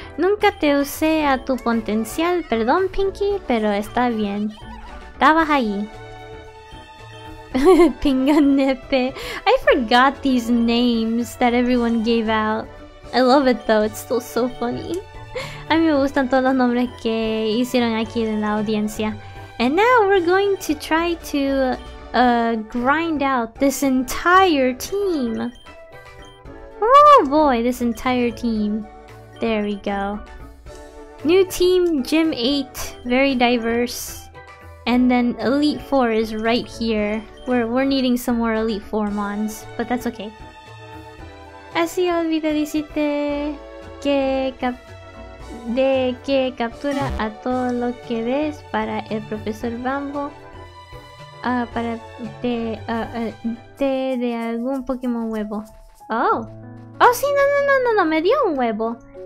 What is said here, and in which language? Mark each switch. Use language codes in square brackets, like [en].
[es] Nunca te usé a tu potencial, perdón, Pinky, pero está bien. Estabas ahí. Pinganepe. [en] I forgot these names that everyone gave out. I love it though, it's still so funny. [es] A mí me gustan todos los nombres que hicieron aquí en la audiencia. [en] And now we're going to try to grind out this entire team. Oh boy, this entire team. There we go. New team, Gym 8. Very diverse. And then Elite 4 is right here. We're needing some more Elite 4 mons, but that's okay. [es] Así olvidé decirte que que captura a todo lo que ves para el profesor Bambo. Para de algún Pokémon huevo. Oh, sí, no, me dio un huevo.